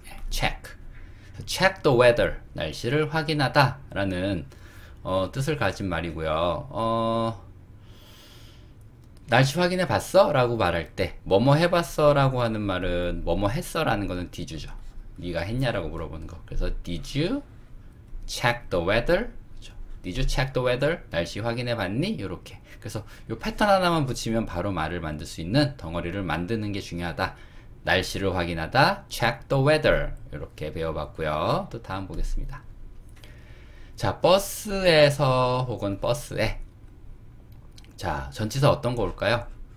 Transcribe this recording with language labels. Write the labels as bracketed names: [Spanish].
[English] check. check the weather. [Korean] 날씨를 확인하다라는 뜻을 가진 말이고요. 날씨 확인해 봤어? 라고 말할 때, 뭐뭐 해봤어? 라고 하는 말은, 뭐뭐 했어? 라는 거는 did죠. 니가 했냐? 라고 물어보는 거. 그래서, [English] did you check the weather? [Korean] 그렇죠. [English] Did you check the weather? [Korean] 날씨 확인해 봤니? 요렇게. 그래서, 요 패턴 하나만 붙이면 바로 말을 만들 수 있는 덩어리를 만드는 게 중요하다. 날씨를 확인하다. [English] check the weather. [Korean] 요렇게 배워봤고요. 또 다음 보겠습니다. 자, 버스에서 혹은 버스에. 자, 전치사 어떤 거 올까요?